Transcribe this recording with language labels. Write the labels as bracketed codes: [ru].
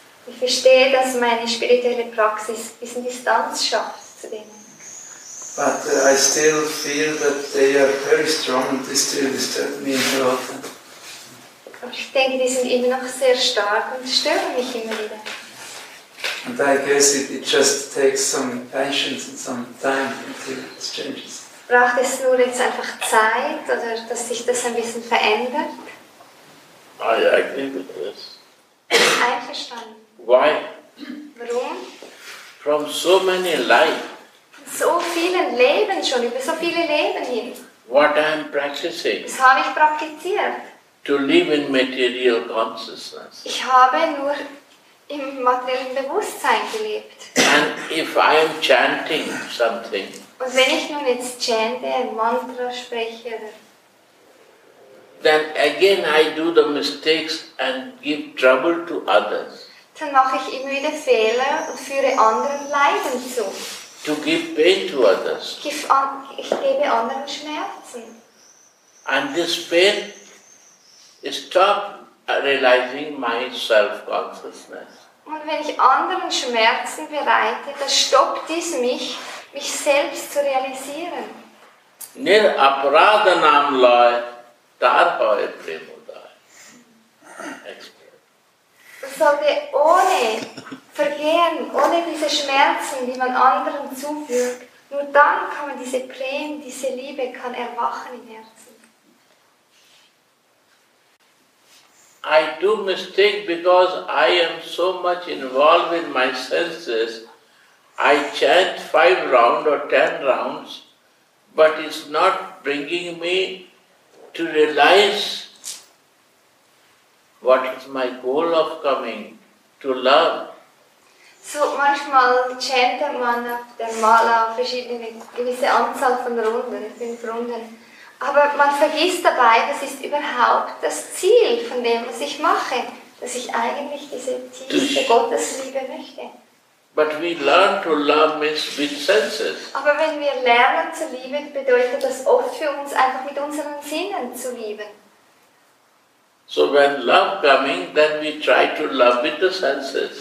[de] Ich verstehe, dass meine spirituelle Praxis ein bisschen Distanz schafft zu dem. [en] But I still feel that they are very strong and they still disturb me a lot. [de] Aber ich denke, die sind immer noch sehr stark und stören mich immer wieder. [en] And I guess it just takes some patience and some time until it changes. [de] Braucht es nur jetzt einfach Zeit oder dass sich das ein bisschen verändert? [en] I agree with this. [de] Einverstanden. [en] Why? [de] Warum? [en] From so many life. [de] So vielen Leben schon, über so viele Leben hin. [en] What I am practicing. [de] Was habe ich praktiziert? [en] To live in material consciousness. [de] Ich habe nur im materiellen Bewusstsein gelebt. [en] And if I am chanting something. [de] Und wenn ich nun jetzt chante, ein Mantra spreche, oder? [en] Then again I do the mistakes and give trouble to others. [de] Dann mache ich immer wieder Fehler und führe anderen Leiden zu. [en] To give pain to others. [de] Ich gebe anderen Schmerzen. [en] And this pain is stop realizing my self-consciousness. [de] Und wenn ich anderen Schmerzen bereite, dann stoppt dies mich selbst zu realisieren. [sa] Nir apradhanam loy tarhoye premodaya. [de] Sollte ohne Vergehen, ohne diese Schmerzen, die man anderen zufügt, nur dann kann man diese Prämie, diese Liebe kann erwachen im Herzen. [en] I do mistake because I am so much involved in my senses. I chant 5 rounds or 10 rounds, but it's not bringing me to realize what is my goal of coming? To love. [de] So manchmal chantet man auf der Mala verschiedene gewisse Anzahl von Runden, 5 Runden. Aber man vergisst dabei, das ist überhaupt das Ziel von dem, was ich mache, dass ich eigentlich diese tiefe Gottesliebe möchte. [en] But we learn to love means with senses. [de] Aber wenn wir lernen zu lieben, bedeutet das oft für uns einfach mit unseren Sinnen zu lieben. [en] So when love coming, then we try to love with the senses.